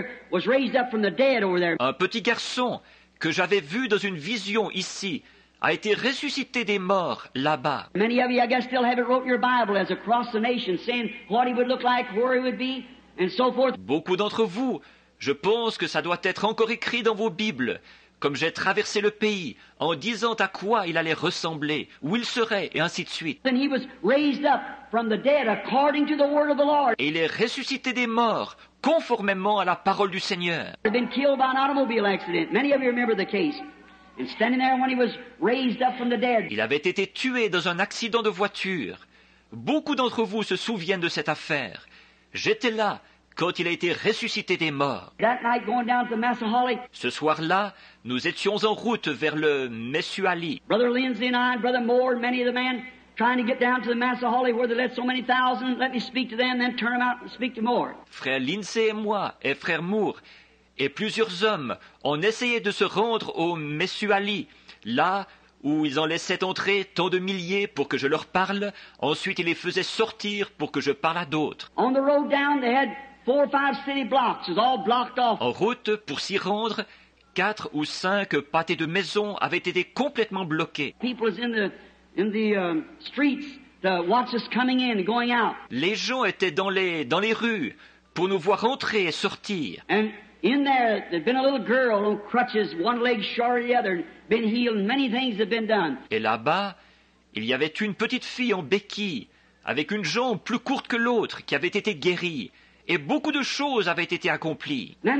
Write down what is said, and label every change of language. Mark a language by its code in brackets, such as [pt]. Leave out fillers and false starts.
[fr] Un petit garçon que j'avais vu dans une vision ici a été ressuscité des morts là-bas. [en] Many of you, I guess, still have it wrote in your Bible as across the nation, saying what he would look like, where he would be, and so forth. [fr] Beaucoup d'entre vous. Je pense que ça doit être encore écrit dans vos Bibles, comme j'ai traversé le pays, en disant à quoi il allait ressembler, où il serait, et ainsi de suite. [en] And he was raised up from the dead according to the word of the Lord. [fr] Et il est ressuscité des morts, conformément à la parole du Seigneur. [en] He had been killed by an automobile accident. Many of you remember the case. And standing there when he was raised up from the dead. [fr] Il avait été tué dans un accident de voiture. Beaucoup d'entre vous se souviennent de cette affaire. J'étais là. Quand il a été ressuscité des morts. [en] That night going down to Massahole, [fr] ce soir-là, nous étions en route vers le Messuali. [en] Brother Lindsay and I, Brother Moore, and many of the men trying to get down to the Massahole where they let so many thousands. Let me speak to them, then turn them out and speak to Moore. [fr] Frère Lindsay et moi, et frère Moore, et plusieurs hommes ont essayé de se rendre au Messuali, là où ils en laissaient entrer tant de milliers pour que je leur parle. Ensuite, ils les faisaient sortir pour que je parle à d'autres. [en] On the road down, they had four or five city blocks is all blocked off. [fr] En route pour s'y rendre, quatre ou cinq pâtés de maisons avaient été complètement bloqués. [en] People is in the streets to watch us coming in and going out. [fr] Les gens étaient dans les rues pour nous voir entrer et sortir. [en] And in there'd been a little girl on crutches, one leg shorter than the other, been healed. Many things have been done. [fr] Et là-bas, il y avait une petite fille en béquille avec une jambe plus courte que l'autre qui avait été guérie. Et beaucoup de choses avaient été accomplies.